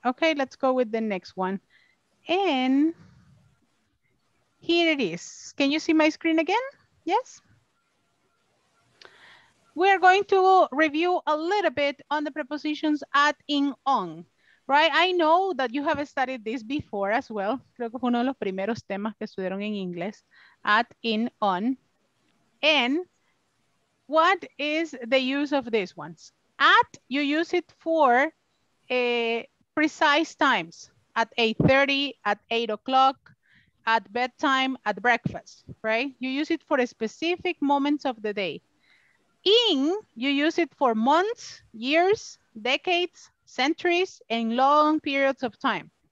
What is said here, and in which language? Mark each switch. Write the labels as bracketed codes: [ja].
[en] Okay, let's go with the next one. And here it is. Can you see my screen again? Yes. We're going to review a little bit on the prepositions at, in, on. Right, I know that you have studied this before as well. [es] Creo que fue uno de los primeros temas que estudiaron en inglés. [en] At, in, on. And what is the use of these ones? At, you use it for precise times. At 8:30, at 8 o'clock, at bedtime, at breakfast, right? You use it for specific moments of the day. In, you use it for months, years, decades, centuries, and long periods of time.